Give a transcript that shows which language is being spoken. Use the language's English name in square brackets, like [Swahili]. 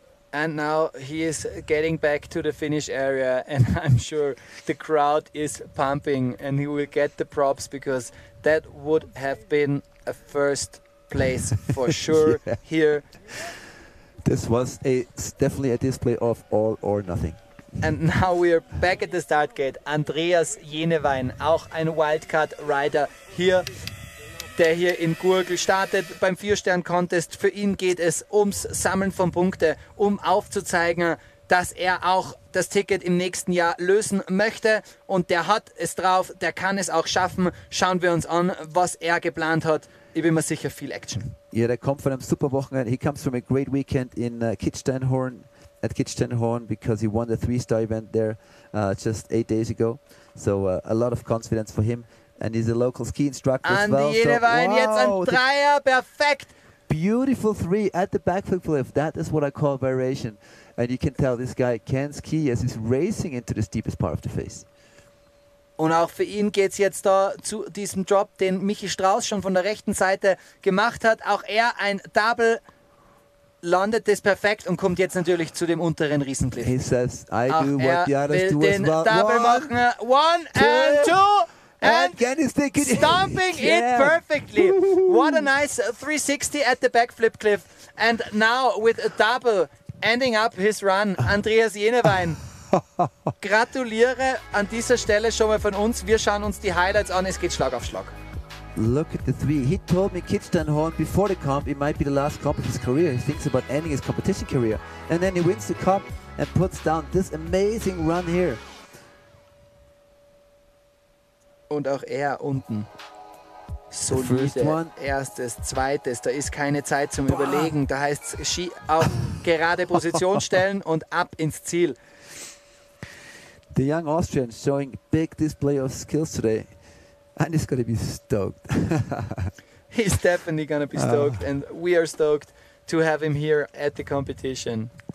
[English] And now he is getting back to the finish area, and I'm sure the crowd is pumping, and he will get the props because that would have been a first place for sure. Yeah. Here this was definitely a display of all or nothing. And now we are back at the start gate. [German] Andreas Jenewein, auch ein Wildcard Rider here, der hier in Gurgl startet beim Vierstern Contest. Für ihn geht es ums Sammeln von Punkte, um aufzuzeigen, dass er auch das Ticket im nächsten Jahr lösen möchte. Und der hat es drauf, der kann es auch schaffen. Schauen wir uns an, was er geplant hat. Ich bin mir sicher, viel Action. [English] Yeah, they come from a super Wochenende. He comes from a great weekend in Kitzsteinhorn, at Kitzsteinhorn, because he won the three-star event there just 8 days ago. So a lot of confidence for him. And he's a local ski instructor as well. [German] Andy Jenewein, jetzt ein Dreier, perfekt. [English] beautiful three at the backflip flip. That is what I call variation. And you can tell this guy can ski as he's racing into the steepest part of the face. [German] Und auch für ihn geht es jetzt da zu diesem Drop, den Michi Strauss schon von der rechten Seite gemacht hat. Auch er ein Double landet das perfekt und kommt jetzt natürlich zu dem unteren Riesenglitz. [English] He says, I do [German] auch [English] what the others do as well. [German] Double machen. [English] One and two. And stomping it perfectly. What a nice 360 at the backflip cliff. And now with a double ending up his run, Andreas Jenewein. [German] Gratuliere an dieser Stelle schon mal von uns. Wir schauen uns die Highlights an. Es geht Schlag auf Schlag. [English] Look at the three. He told me Kitzsteinhorn before the comp, it might be the last comp of his career. He thinks about ending his competition career. And then he wins the comp and puts down this amazing run here. [German] Und auch er unten. Solide. [English] First one. [German] Erstes, zweites. Da ist keine Zeit zum Überlegen. Da heißt es Ski auf gerade Position stellen und ab ins Ziel. [English] The young Austrian showing big display of skills today. And he's going to be stoked. He's definitely going to be stoked. And we are stoked to have him here at the competition.